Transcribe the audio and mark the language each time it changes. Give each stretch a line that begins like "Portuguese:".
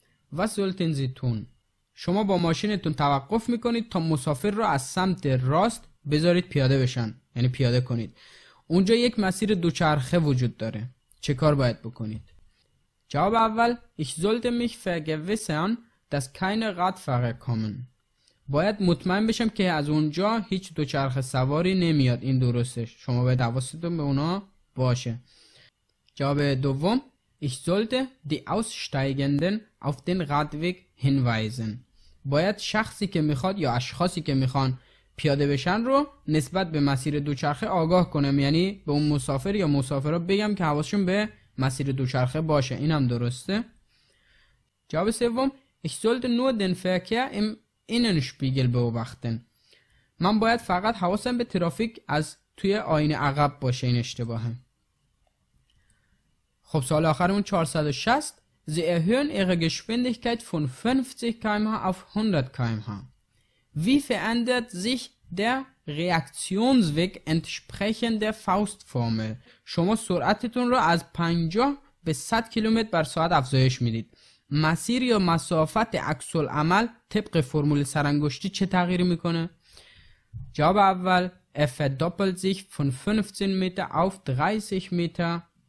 German: Was sollten Sie tun?
Persian: شما با ماشینتون توقف میکنید تا مسافر رو از سمت راست بذارید پیاده بشن، یعنی پیاده کنید. اونجا یک مسیر دوچرخه وجود داره. چه کار باید بکنید؟ جواب اول:
German: Ich sollte mich vergewissern, dass keine Radfahrer kommen.
Persian: باید مطمئن بشم که از اونجا هیچ دوچرخه سواری نمیاد. این درسته. شما باید حواستون به اونا باشه. جواب دوم:
German: Ich sollte die Aussteigenden auf den Radweg hinweisen.
Persian: باید شخصی که میخواد یا اشخاصی که میخوان پیاده بشن رو نسبت به مسیر دوچرخه آگاه کنم، یعنی به اون مسافر یا مسافرها بگم که حواسشون به مسیر دوچرخه باشه. اینم درسته. جواب سوم:
German: Ich sollte nur den Verkehr im Innenspiegel beobachten.
Persian: من باید فقط حواسم به ترافیک از توی آینه عقب باشه. این اشتباهه. خب سوال آخرمون
German: 460 Sie erhöhen ihre Geschwindigkeit von 50 km/h auf 100 km/h. Wie verändert sich der Reaktionsweg entsprechend der Faustformel?
Persian: شما سرعتتون رو از 50 به 100 کیلومتر بر ساعت افزایش میدید. مسیر یا مسافت عکس العمل طبق فرمول سرانگشتی چه تغییری میکنه؟ جواب اول:
German: Er verdoppelt sich von 15 Meter auf 30 Meter.